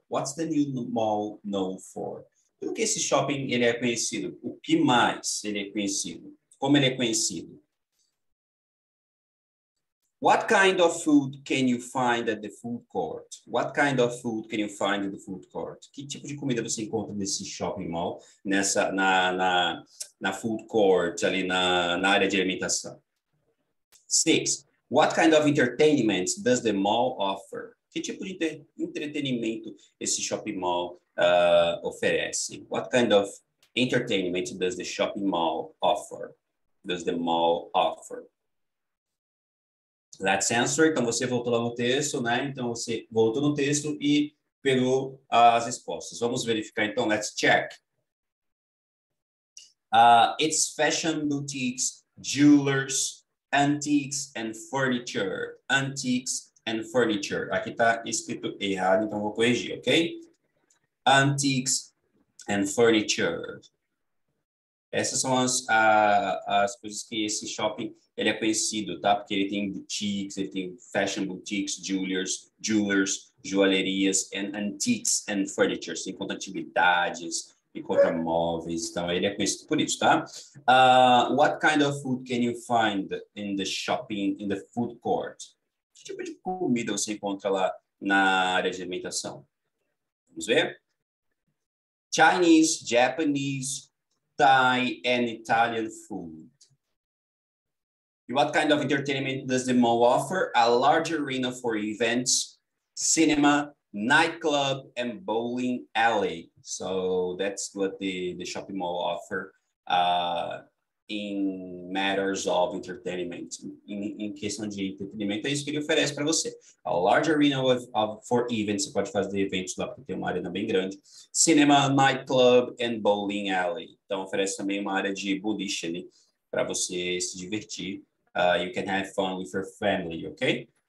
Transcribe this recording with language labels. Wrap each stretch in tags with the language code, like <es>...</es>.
<en>What's the new mall known for?</en> <pt>O que esse shopping ele é conhecido? O que mais ele é conhecido? Como ele é conhecido?</pt> <en>What kind of food can you find at the food court? What kind of food can you find at the food court?</en> <pt>Que tipo de comida você encontra nesse shopping mall, nessa, na food court, ali na área de alimentação?</pt> <en>Six. What kind of entertainment does the mall offer?</en> <pt>Que tipo de entretenimento esse shopping mall oferece?</pt> <en>What kind of entertainment does the shopping mall offer? Does the mall offer? Let's answer.</en> <pt>Então, você voltou lá no texto, né? Então, você voltou no texto e pegou as respostas. Vamos verificar, então.</pt> <en>Let's check. It's fashion boutiques, jewelers, antiques and furniture, antiques and furniture.</en> <pt>Aqui tá escrito errado, então vou corrigir, ok?</pt> <en>Antiques and furniture.</en> <pt>Essas são as coisas que esse shopping, ele é conhecido, tá? Porque ele tem boutiques, ele tem</pt> <en>fashion boutiques, jewelers,</en> <pt>joalherias,</pt> <en>and antiques and furniture.</en> <pt>Você encontra antiguidades, encontra móveis, então ele é conhecido por isso, tá?</pt> <en>What kind of food can you find in the shopping, in the food court?</en> <pt>Que tipo de comida você encontra lá na área de alimentação? Vamos ver?</pt> <en>Chinese, Japanese, Thai, and Italian food. What kind of entertainment does the mall offer? A large arena for events, cinema, nightclub and bowling alley. So that's what the shopping mall offer in matters of entertainment.</en> <pt>In questão de entretenimento, é isso que ele oferece para você.</pt> <en>A large arena for events.</en> <pt>Você pode fazer eventos lá porque tem uma arena bem grande.</pt> <en>Cinema, nightclub and bowling alley.</en> <pt>Então oferece também uma área de boliche ali para você se divertir.</pt> <en>You can have fun with your family, okay?</en>